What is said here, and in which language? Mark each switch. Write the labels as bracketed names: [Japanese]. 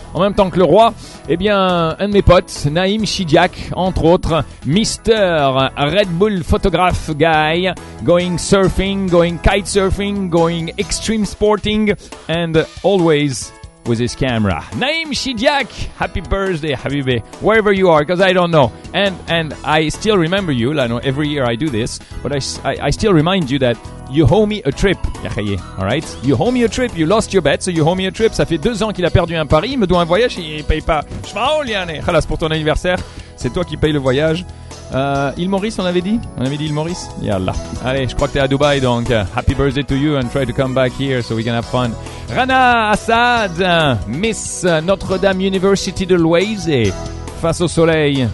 [French] en même temps que le roi, eh bien, un de mes potes, Naïm Chidiac, entre autres, Mr. [English] Red Bull Photograph Guy, going surfing, going kitesurfing, going extreme sporting, and always with his camera. Naïm Chidiac, happy birthday, Habibé, wherever you are, because I don't know. And I still remember you, I know every year I do this, but I still remind you that you owe me a trip. All right? You owe me a trip, you lost your bet, so you owe me a trip. [French] Ça fait deux ans qu'il a perdu un pari, il me doit un voyage, il paye pas. Je m'en ai rien. Khalas, pour ton anniversaire, c'est toi qui paye le voyage. Il Maurice, on avait dit? On avait dit Il Maurice? Yallah. Allez, je crois que t'es à Dubaï, donc [English] happy birthday to you and try to come back here so we can have fun. [French] Rana Assad, Miss Notre-Dame University de Loise, face au soleil.